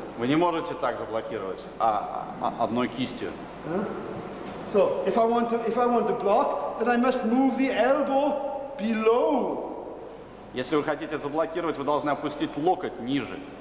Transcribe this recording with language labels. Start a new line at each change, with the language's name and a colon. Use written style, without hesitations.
Russian: Вы не можете так заблокировать одной кистью.
English: So, if I want to block, then I must move the elbow below.
Russian: Если вы хотите заблокировать, вы должны опустить локоть ниже.